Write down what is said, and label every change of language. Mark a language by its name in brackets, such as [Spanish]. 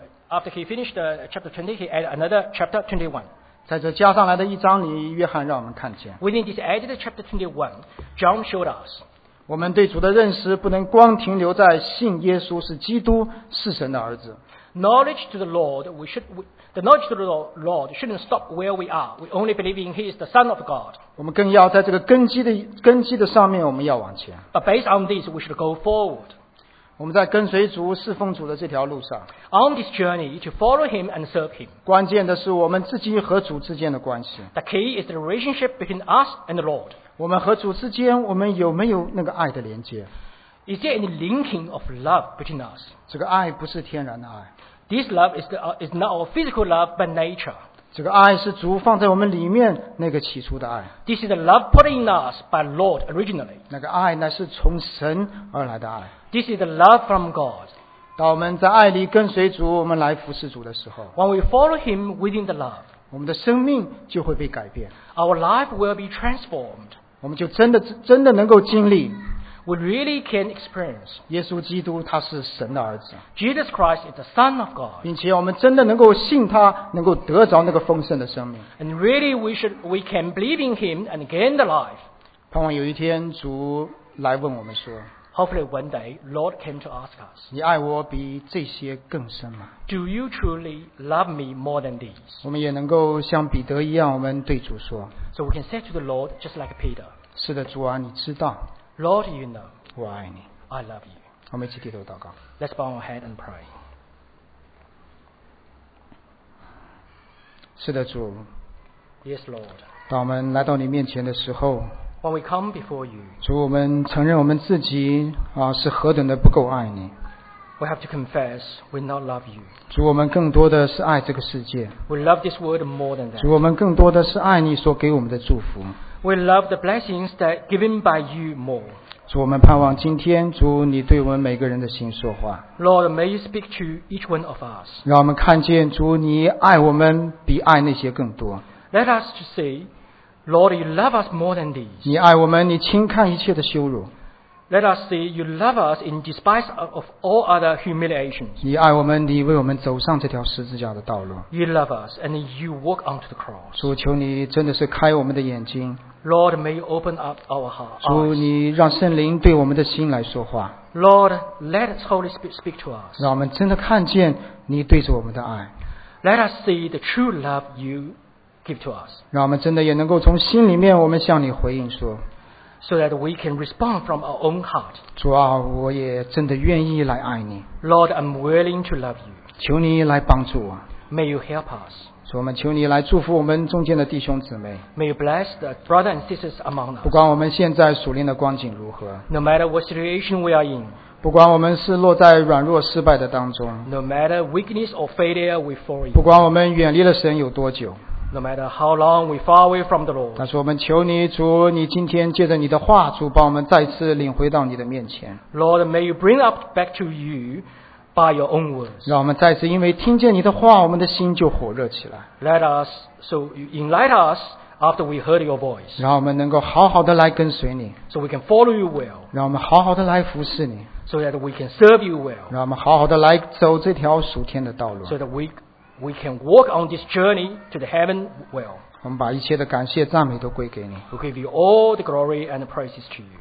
[English] After he finished the chapter 20, he added another chapter 21. [Chinese] 在这加上来的一章里，约翰让我们看见。 [English] Within this added chapter 21, John showed us. [Chinese] 我们对主的认识不能光停留在信耶稣是基督，是神的儿子。 [English] Knowledge to the Lord, the knowledge to the Lord shouldn't stop where we are. We only believe in He is the Son of God. [Chinese] 我们更要在这个根基的上面，我们要往前。 [English] But based on this, we should go forward. [Chinese] 我们在跟随主、侍奉主的这条路上。 [English] On this journey to follow him and serve him. [Chinese] 关键的是我们自己和主之间的关系。 [English] The key is the relationship between us and the Lord. [Chinese] 我们和主之间，我们有没有那个爱的连接？ [English] Is there any linking of love between us? [Chinese] 这个爱不是天然的爱。 [English] This love is not our physical love, but nature. [Chinese] 这个爱是主放在我们里面那个起初的爱。 [English] This is the love put in us by Lord originally. [Chinese] 那个爱乃是从神而来的爱。 [English] This is the love from God. [Chinese] 当我们在爱里跟随主，我们来服侍主的时候 [English] ，When we follow Him within the love， [Chinese] 我们的生命就会被改变 [English] ，Our life will be transformed。 [Chinese] 我们就真的能够经历 [English] ，We really can experience。 [Chinese] 耶稣基督他是神的儿子 [English] ，Jesus Christ is the Son of God。 [Chinese] 并且我们真的能够信他，能够得着那个丰盛的生命 [English] ，And really we can believe in Him and gain the life。 [Chinese] 盼望有一天主来问我们说。 [English] Hopefully one day, Lord came to ask us, [Chinese] 你爱我比这些更深吗？ [English] Do you truly love me more than these? [Chinese] 我们也能够像彼得一样，我们对主说。 [English] So we can say to the Lord, just like Peter. [Chinese] 是的，主啊，你知道。 [English] Lord, you know. [Chinese] 我爱你。 [English] I love you. [Chinese] 我们一起低头祷告。 [English] Let's bow our head and pray. [Chinese] 是的，主。 [English] Yes, Lord. [Chinese] 当我们来到你面前的时候。 [English] When we come before you, [Chinese] 主，我们承认我们自己啊是何等的不够爱你。 [English] We have to confess we not love you. [Chinese] 主，我们更多的是爱这个世界。 [English] We love this world more than that. [Chinese] 主，我们更多的是爱你所给我们的祝福。 [English] We love the blessings that given by you more. [Chinese] 主，我们盼望今天，主你对我们每个人的心说话。 [English] Lord, may you speak to each one of us. [Chinese] 让我们看见主你爱我们比爱那些更多。 [English] Let us to see. Lord, you love us more than these. [Chinese] 你爱我们，你轻看一切的羞辱。 [English] Let us see, you love us in despite of all other humiliations. [Chinese] 你爱我们，你为我们走上这条十字架的道路。 [English] You love us and you walk onto the cross. [Chinese] 主，求你真的是开我们的眼睛。 [English] Lord, may you open up our hearts. [Chinese] 主，你让圣灵对我们的心来说话。 [English] Lord, let Holy Spirit speak to us. [Chinese] 让我们真的看见你对着我们的爱。 [English] Let us see the true love you. Give to us. [Chinese] 让我们真的也能够从心里面，我们向你回应说。 [English] So that we can respond from our own heart. [Chinese] 主啊，我也真的愿意来爱你。 [English] Lord, I'm willing to love you. [Chinese] 求你来帮助我。 [English] May you help us. [Chinese] 主，我们求你来祝福我们中间的弟兄姊妹。 [English] May you bless the brothers and sisters among us. [Chinese] 不管我们现在属灵的光景如何。 [English] No matter what situation we are in. [Chinese] 不管我们是落在软弱失败的当中。 [English] No matter weakness or failure we fall in. [Chinese] 不管我们远离了神有多久。 [English] No matter how long we far away from the Lord. [Chinese] 但是我们求你主你今天借着你的话主把我们再次领回到你的面前。 [English] Lord, may you bring up back to you by your own words. [Chinese] 让我们再次因为听见你的话我们的心就火热起来。 [English] Let us, so you enlighten us after we heard your voice. [Chinese] 让我们能够好好的来跟随你。 [English] So we can follow you well. [Chinese] 让我们好好的来服侍你。 [English] So that we can serve you well. [Chinese] 让我们好好的来走这条属天的道路。 [English] So that we can walk on this journey to the heaven well. [Chinese] 我们把一切的感谢赞美都归给你。 [English] We give you all the glory and the praises to you.